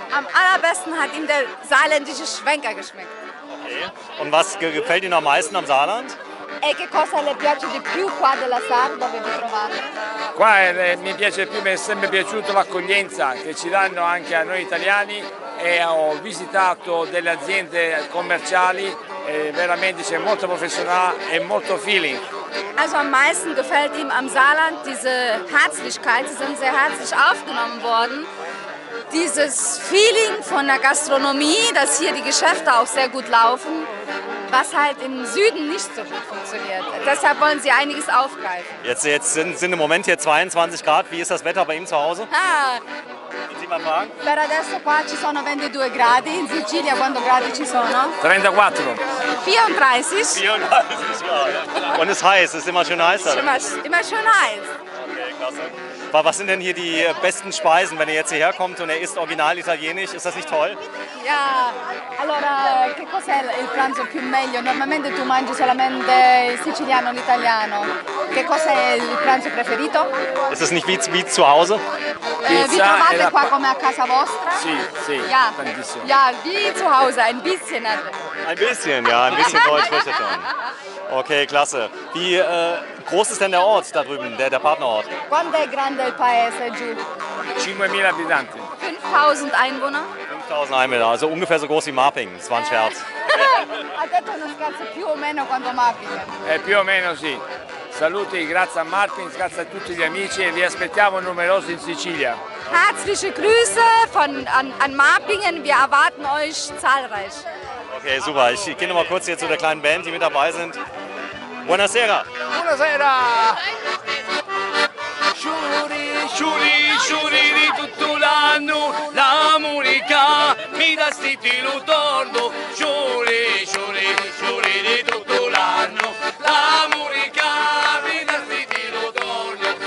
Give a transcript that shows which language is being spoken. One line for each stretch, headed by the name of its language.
German: Am allerbesten hat ihm der saarländische Schwenker geschmeckt. Und was gefällt Ihnen am meisten am Saarland?
Italian: E che cosa le piace di più qua della Sardegna? Qua mi piace più, mi è sempre piaciuta l'accoglienza che ci danno anche a noi italiani e ho visitato delle aziende commerciali. Veramente c'è molto professionale e molto feeling.
German: Also am meisten gefällt ihm am Saarland diese Herzlichkeit, sie sind sehr herzlich aufgenommen worden. Dieses Feeling von der Gastronomie, dass hier die Geschäfte auch sehr gut laufen, was halt im Süden nicht so gut funktioniert. Deshalb wollen sie einiges aufgreifen. Jetzt sind im Moment hier 22 Grad, wie ist das Wetter bei ihm zu Hause?
Italian: Per adesso qua ci sono 22 gradi, in Sicilia quanti gradi ci sono? 34. 34. 34.
German: Und es ist heiß, es ist immer schön heiß. Immer schön heiß. Okay, klasse. Was sind denn hier die besten Speisen, wenn er jetzt hierher kommt und er isst original italienisch, ist das nicht toll?
Italian: Ja, allora, che cos'è il pranzo più meglio? Normalmente tu mangi solamente il siciliano, l'italiano. Che cos'è il pranzo preferito?
German: Ist das nicht wie zu Hause?
Italian: Vi trovate qua come a casa vostra? Sì, sì,
German: ja.
Italian: Tantissimo.
German: Ja, wie zu Hause, ein bisschen. Ein bisschen, ja, ein bisschen Deutsch spreche ich schon. Okay, klasse. Wie groß ist denn der Ort da drüben, der Partnerort?
Italian: Quanto è grande il paese giù? 5.000 abitanti.
German: 5.000 Einwohner? 5.000 Einwohner, also ungefähr so groß wie Marping. Das war ein Scherz.
Italian: Ha detto uno scherzo più o meno quanto Marping. Più o meno, sì. Saluti, grazie a Marping, grazie a tutti gli amici e vi aspettiamo numerosi in Sicilia.
German: Herzliche Grüße an Marpingen, wir erwarten euch zahlreich. Okay, super. Ich gehe noch mal kurz hier zu der kleinen Band, die mit dabei sind. Buonasera.
Italian: Buonasera.
Sicilian: Ciuri, ciuri, ciuri di tutto l'anno, la musica mi dà stiti lo tordo. Ciuri, ciuri, ciuri di tutto l'anno, la musica mi dà stiti lo tordo.